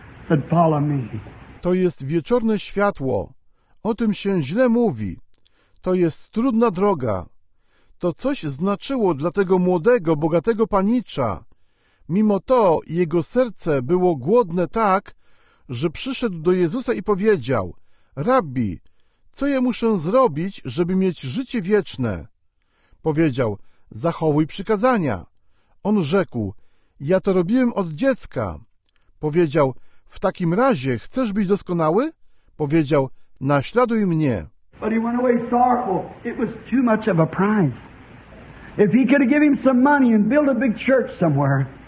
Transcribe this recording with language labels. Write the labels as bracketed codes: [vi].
[en] He said, follow me. [pl] To jest wieczorne światło. O tym się źle mówi. To jest trudna droga. To coś znaczyło dla tego młodego, bogatego panicza. Mimo to jego serce było głodne tak, że przyszedł do Jezusa i powiedział: Rabbi, co ja muszę zrobić, żeby mieć życie wieczne? Powiedział: zachowuj przykazania. On rzekł: ja to robiłem od dziecka. Powiedział: w takim razie chcesz być doskonały? Powiedział: naśladuj mnie. [en] But he went away sorrowful. It was too much of a price. If he could have given him some money and built a big church somewhere.